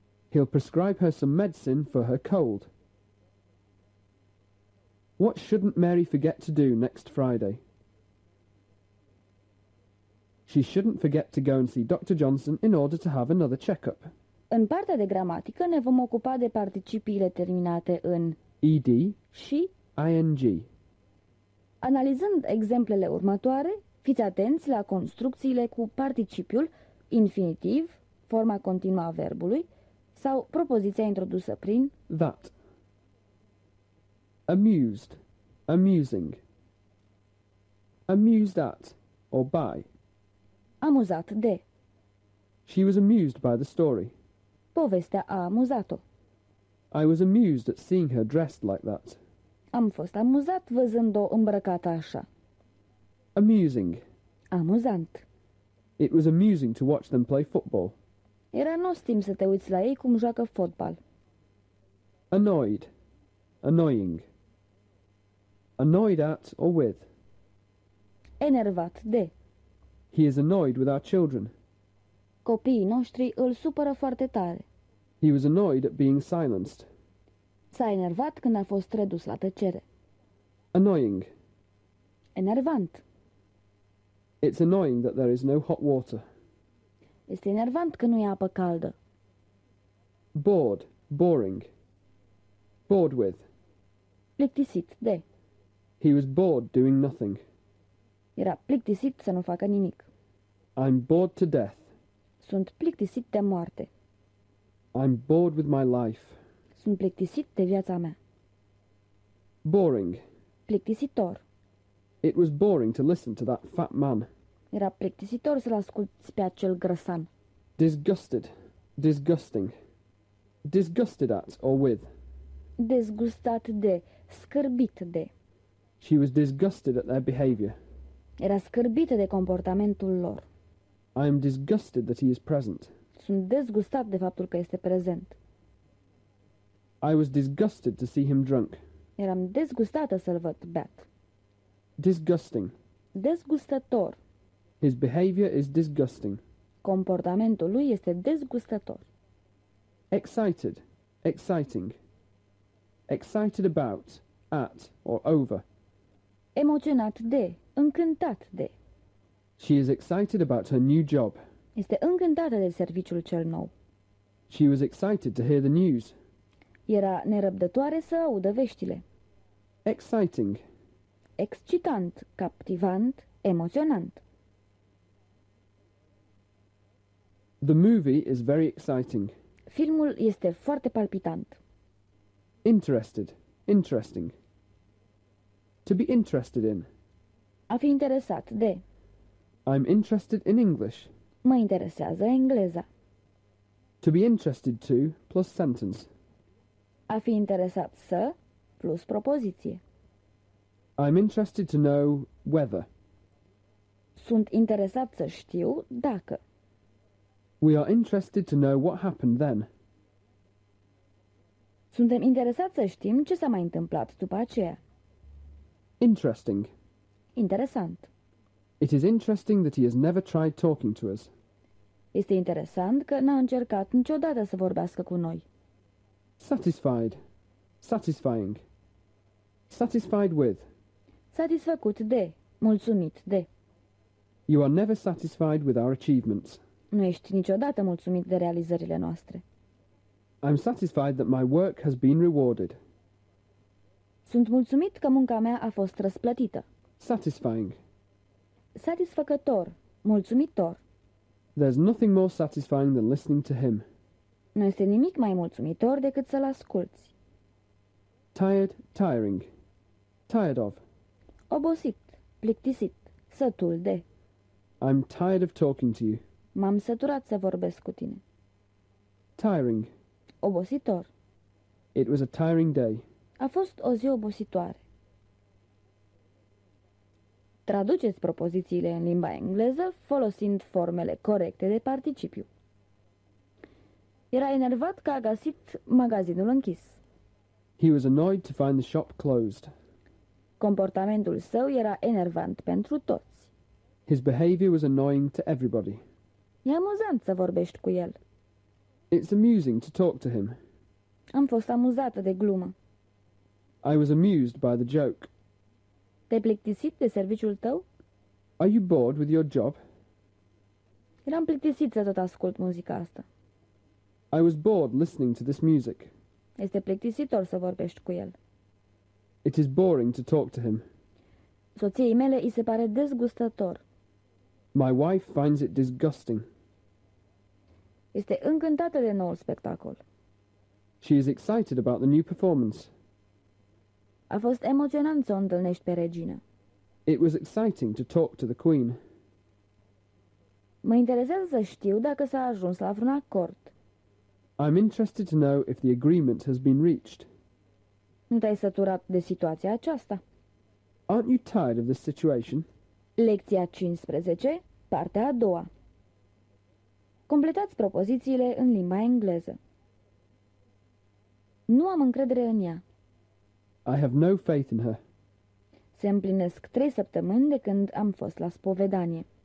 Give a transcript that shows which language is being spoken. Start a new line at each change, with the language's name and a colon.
English: He'll prescribe her some medicine for her cold. What shouldn't Mary forget to do next Friday? She shouldn't forget to go and see Dr. Johnson in order to have another checkup.
Romanian: În partea de gramatică ne vom ocupa de participiile terminate în
English: ed
Romanian: și
English: ing.
Romanian: Analizând exemplele următoare, fiți atenți la construcțiile cu participiul infinitiv, forma continuă a verbului, sau propoziția introdusă prin
English: that. Amused, amusing. Amused at, or by.
Romanian: Amuzat de.
English: She was amused by the story.
Romanian: Povestea a amuzat-o.
English: I was amused at seeing her dressed like that.
Romanian: Am fost amuzat văzând-o îmbrăcată așa.
English: Amusing.
Romanian: Amuzant.
English: It was amusing to watch them play football.
Romanian: Era nostim să te uiți la ei cum joacă fotbal.
English: Annoyed. Annoying. Annoyed at or with.
Romanian: Enervat de.
English: He is annoyed with our children.
Romanian: Copiii noștri îl supără foarte tare.
English: He was annoyed at being silenced.
Romanian: S-a enervat când a fost redus la tăcere.
English: Annoying.
Romanian: Enervant.
English: It's annoying that there is no hot water.
Romanian: Este enervant că nu e apă caldă.
English: Bored, boring. Bored with.
Romanian: Plictisit de.
English: He was bored doing nothing.
Romanian: Era plictisit să nu facă nimic.
English: I'm bored to death.
Romanian: Sunt plictisit de moarte.
English: I'm bored with my life.
Romanian: Sunt plictisit de viața mea.
English: Boring.
Romanian: Plictisitor.
English: It was boring to listen to that fat man.
Romanian: Era plictisitor să-l asculti pe acel grăsan.
English: Disgusted. Disgusting. Disgusted at or with.
Romanian: Dezgustat de. Scârbit de.
English: She was disgusted at their behavior.
Romanian: Era scârbită de comportamentul lor.
English: I am disgusted that he is present.
Romanian: Sunt dezgustat de faptul că este prezent.
English: I was disgusted to see him drunk.
Romanian: Eram dezgustată să-l văd beat.
English: Disgusting.
Romanian: Dezgustător.
English: His behavior is disgusting.
Romanian: Comportamentul lui este dezgustător.
English: Excited. Exciting. Excited about, at, or over.
Romanian: Emoționat de, încântat de.
English: She is excited about her new job.
Romanian: Este încântată de serviciul cel nou.
English: She was excited to hear the news.
Romanian: Era nerăbdătoare să audă veștile.
English: Exciting.
Romanian: Excitant, captivant, emoționant.
English: The movie is very exciting.
Romanian: Filmul este foarte palpitant.
English: Interested, interesting. To be interested in.
Romanian: A fi interesat de.
English: I'm interested in English.
Romanian: Mă interesează engleza.
English: To be interested to plus sentence.
Romanian: A fi interesat să plus propoziție.
English: I'm interested to know whether.
Romanian: Sunt interesat să știu dacă.
English: We are interested to know what happened then.
Romanian: Suntem interesați să știm ce s-a mai întâmplat după aceea.
English: Interesting.
Romanian: Interesant.
English: It is interesting that he has never tried talking to us.
Romanian: Este interesant că n-a încercat niciodată să vorbească cu noi.
English: Satisfied. Satisfying. Satisfied with.
Romanian: Satisfăcut de. Mulțumit de.
English: You are never satisfied with our achievements.
Romanian: Nu ești niciodată mulțumit de realizările noastre.
English: I'm satisfied that my work has been rewarded.
Romanian: Sunt mulțumit că munca mea a fost răsplătită.
English: Satisfying.
Romanian: Satisfăcător. Mulțumitor.
English: There's nothing more satisfying than listening to him.
Romanian: Nu este nimic mai mulțumitor decât să-l asculți.
English: Tired, tiring. Tired of.
Romanian: Obosit, plictisit, sătul de.
English: I'm tired of talking to you.
Romanian: M-am săturat să vorbesc cu tine.
English: Tiring.
Romanian: Obositor.
English: It was a tiring day.
Romanian: A fost o zi obositoare. Traduceți propozițiile în limba engleză folosind formele corecte de participiu. Era enervat că a găsit magazinul închis.
English: He was annoyed to find the shop closed.
Romanian: Comportamentul său era enervant pentru toți.
English: His behavior was annoying to everybody.
Romanian: E amuzant să vorbești cu el.
English: It's amusing to talk to him.
Romanian: Am fost amuzată de glumă.
English: I was amused by the joke.
Romanian: Te-ai plictisit de serviciul tău?
English: Are you bored with your job?
Romanian: Eram plictisit să tot ascult muzica asta.
English: I was bored listening to this music.
Romanian: Este plictisitor să vorbești cu el.
English: It is boring to talk to him.
Romanian: Soției mele îi se pare dezgustător.
English: My wife finds it disgusting.
Romanian: Este încântată de noul spectacol.
English: She is excited about the new performance.
Romanian: A fost emoționant să o întâlnești pe regină.
English: It was exciting to talk to the queen.
Romanian: Mă interesează să știu dacă s-a ajuns la vreun acord.
English: I'm interested to know if the agreement has been reached.
Romanian: Nu te-ai săturat de situația aceasta?
English: Aren't you tired of this situation?
Romanian: Lecția 15, partea a doua. Completați propozițiile în limba engleză. Nu am încredere în ea.
English: I have no faith in her.
Romanian: Se împlinesc 3 săptămâni de când am fost la spovedanie.